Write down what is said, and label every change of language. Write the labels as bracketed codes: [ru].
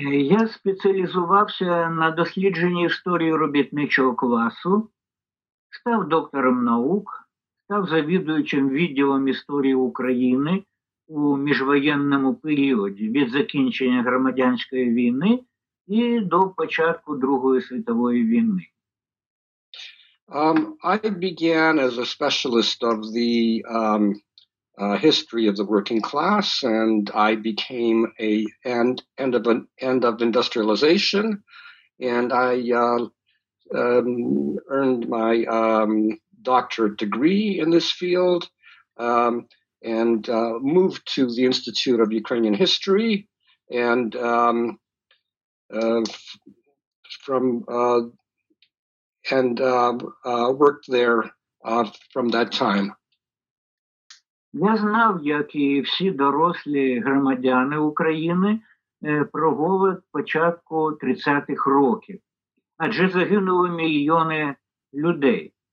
[uk] Я спеціалізувався на дослідженні історії робітничого класу, став доктором наук, став завідувачем відділом історії України у міжвоєнному періоді від закінчення громадянської війни і до початку Другої світової війни. [en] I began as a specialist of the history of the working class, and I became a end of industrialization, and I earned my doctorate degree in this field, and moved to the Institute of Ukrainian History, and worked there from that time. [uk] Я знав, як і всі дорослі громадяни України, проголод початку 30-х років, адже загинули мільйони людей.